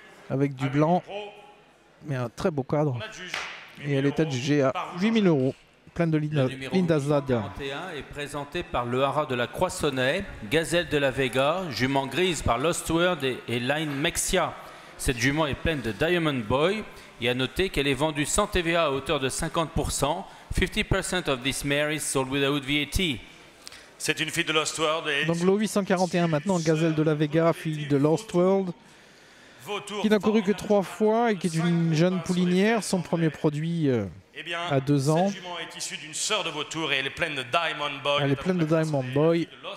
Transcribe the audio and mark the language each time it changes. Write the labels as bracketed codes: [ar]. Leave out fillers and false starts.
[fr] Avec du blanc, mais un très beau cadre. Et elle est adjugée à 8000 euros, pleine de Linda Zlad. Le numéro 31 est présenté par le Hara de la Croissonnet, Gazelle de la Vega, jument grise par Lost World et Line Mexia. Cette jument est pleine de Diamond Boy et à noter qu'elle est vendue sans TVA à hauteur de 50%. [en] 50% of this mare is sold without VAT. [fr] C'est une fille de Lost World. Et donc le 841 maintenant, Gazelle de la Vega, fille de Lost World, qui n'a couru que 3 fois et qui est une jeune poulinière. Son premier produit eh bien, à 2 ans. Cette jument est issue d'une sœur de vautour et elle est pleine de Diamond Boy. Elle est pleine de Diamond Boy.